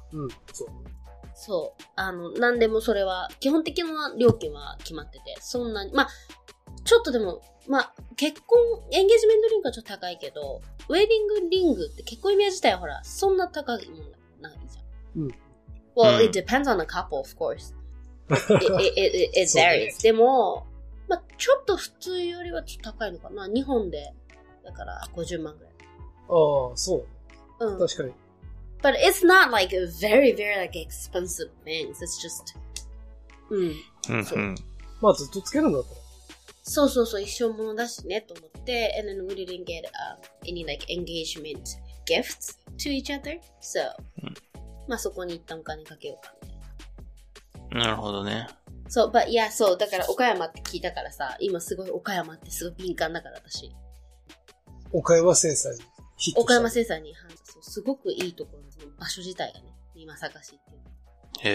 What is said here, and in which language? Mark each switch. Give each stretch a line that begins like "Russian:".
Japanese: うん、そう。そう。なんでもそれは、基本的な料金は決まってて、そんなに、まあ、ちょっとでも、まあ、結婚、エンゲージメントリングはちょっと高いけど、ウェディングリングって結婚指輪自体はほら、そんな高いもんないじゃん。うん。
English: Well, it depends on the couple, of course. It varies.
Japanese: でも、まあ、ちょっと普通よりはちょっと高いのかな。日本で、だから50万ぐらい。ああ、そう。うん。確かに。
English: But it's not like a very, very like expensive things. It's just,
Japanese: うん。まあ、ずっとつけるんだったら。そうそうそう、一生ものだしね、と思って。
English: And then we didn't get、any like engagement gifts to each other. So,、
Japanese: うん、まあそこに一旦お金かけようかみたいな。なるほどね。そう、
English: but yeah,
Japanese: そう、だから岡山って聞いたからさ、今すごい岡山ってすごい敏感だから私。岡山センサーにヒットした。岡山センサーに、そう、すごくいいところ、その場所自体がね、今探しっていう。